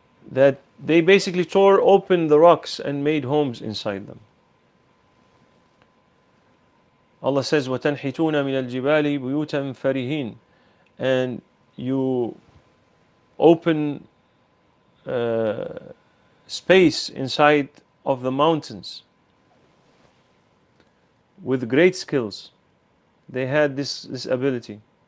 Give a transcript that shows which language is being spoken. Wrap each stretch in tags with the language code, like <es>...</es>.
<en>That they basically tore open the rocks and made homes inside them. Allah says,</en> <ar>وَتَنْحِتُونَ مِنَ الْجِبَالِ بُيُوتًا فَرِهِينَ.</ar> <en>And you open space inside of the mountains with great skills. They had this ability.</en>